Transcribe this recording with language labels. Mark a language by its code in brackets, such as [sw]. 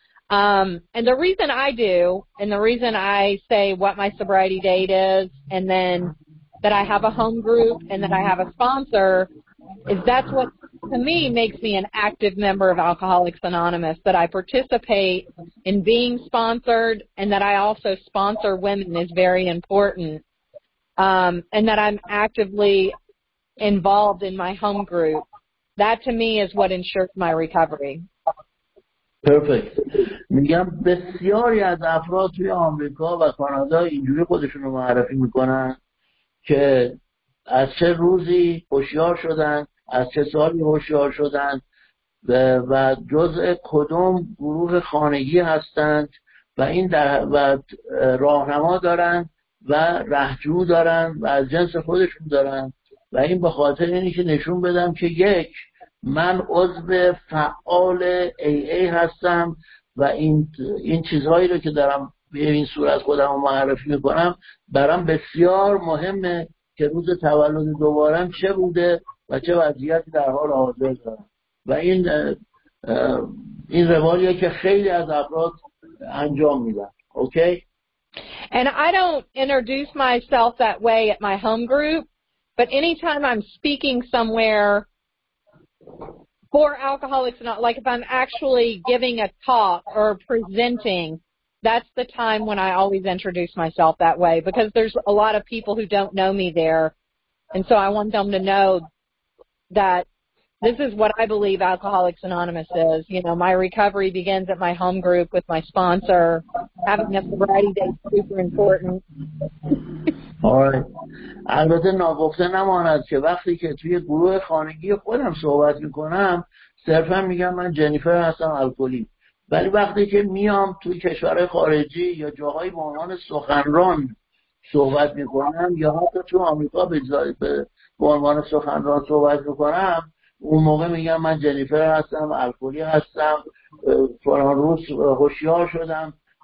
[en] And the reason I do, and the reason I say what my sobriety date is, and then that I have a home group and that I have a sponsor, is that's what, to me, makes me an active member of Alcoholics Anonymous, that I participate in being sponsored and that I also sponsor women is very important, and that I'm actively involved in my home group. That to me is what ensures my recovery. Perfect. [fa] میگم بسیاری از افراد توی آمریکا و کانادا اینجوری خودشون رو معرفی میکنن که از چه روزی هوشیار شدن، از چه سالی هوشیار شدن و جزء کدوم گروه خانگی هستند و این راهنما دارن و رهجو دارن و از جنس خودشون دارن و این به خاطر اینی که نشون بدم که یک من عضو فعال AA هستم و این چیزهایی رو که دارم به این صورت خودم رو معرفی میکنم برام بسیار مهمه که روز تولد دوبارم چه بوده و چه وضعیتی در حال حاضر دارم و این روالیه که خیلی از افراد انجام میدن اوکی؟ [en] And I don't introduce myself that way at my home group but anytime I'm speaking somewhere For alcoholics, not like if I'm actually giving a talk or presenting, that's the time when I always introduce myself that way because there's a lot of people who don't know me there, and so I want them to know that this is what I believe Alcoholics Anonymous is. You know, my recovery begins at my home group with my sponsor. Having a sobriety day is super important. All right. [fa] البته ناگفته نماند که وقتی که توی گروه خانگی خودم صحبت میکنم صرفا میگم من جنیفر هستم الکلی. ولی وقتی که میام توی کشور خارجی یا جاهای به عنوان سخنران صحبت میکنم یا حتی توی آمریکا به عنوان سخنران صحبت میکنم اون موقع میگم من جنیفر هستم، الکلی هستم، فلان روز هوشیار شدم،